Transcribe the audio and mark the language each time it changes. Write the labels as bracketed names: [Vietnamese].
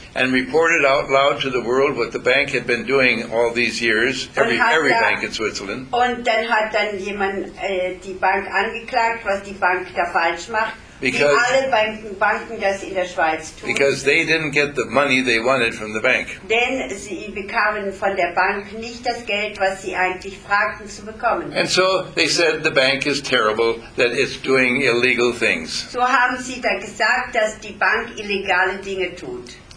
[English] And reported out loud to the world what the bank had been doing all these years, every bank in Switzerland. [German] Und dann hat dann jemand die Bank angeklagt, was die Bank da falsch macht, [English] because, [German] wie alle Banken das in der Schweiz tun. [English] Because they didn't get the money they wanted from the bank. [German] Denn sie bekamen von der Bank nicht das Geld, was sie eigentlich fragten zu bekommen. [English] And so they said the bank is terrible, that it's doing illegal things. [German] So haben sie dann gesagt, dass die Bank illegale Dinge tut.